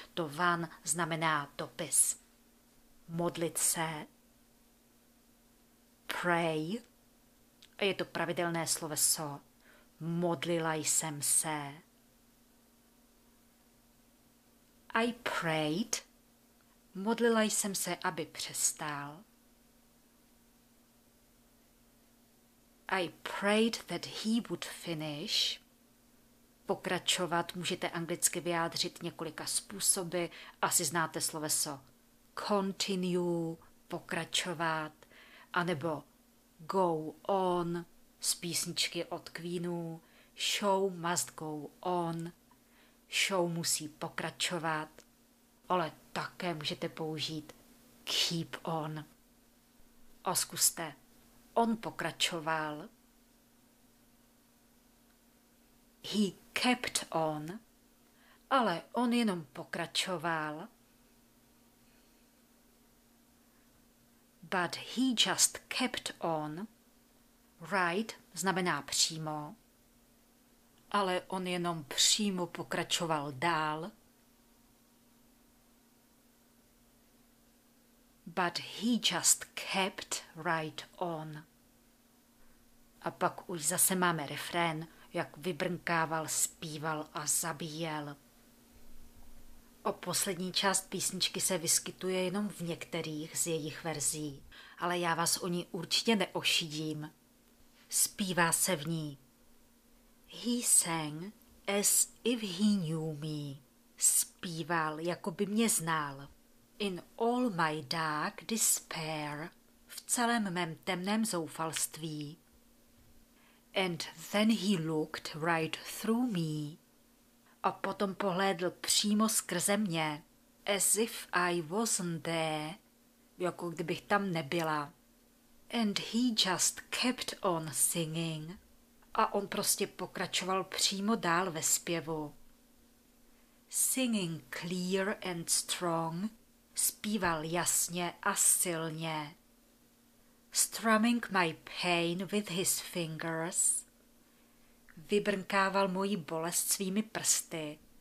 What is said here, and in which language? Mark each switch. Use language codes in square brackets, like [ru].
[cs] To one znamená dopis. Modlit se. Pray. A je to pravidelné sloveso. Modlila jsem se. [en] I prayed, [cs] modlila jsem se, aby přestal. [en] I prayed that he would finish. [cs] Pokračovat můžete anglicky vyjádřit několika způsoby. Asi znáte sloveso continue, pokračovat, anebo go on z písničky od Queenu. [en] Show must go on. [cs] Show musí pokračovat, ale také můžete použít keep on. A zkuste. On pokračoval. [en] He kept on, [cs] ale on jenom pokračoval. [en] But he just kept on. Right [cs] znamená přímo. Ale on jenom přímo pokračoval dál. [en] But he just kept right on. [cs] A pak už zase máme refrén, jak vybrnkával, zpíval a zabíjel. O poslední část písničky se vyskytuje jenom v některých z jejich verzí, ale já vás o ní určitě neošidím. Zpívá se v ní. [en] He sang as if he knew me. [cs] Zpíval, jako by mě znal. [en] In all my dark despair. [cs] V celém mém temném zoufalství. [en] And then he looked right through me. [cs] A potom pohlédl přímo skrze mě. [en] As if I wasn't there. [cs] Jako kdybych tam nebyla. [en] And he just kept on singing. [cs] A on prostě pokračoval přímo dál ve zpěvu. [en] Singing clear and strong, [cs] zpíval jasně a silně. [en] Strumming my pain with his fingers, [cs] vybrnkával moji bolest svými prsty.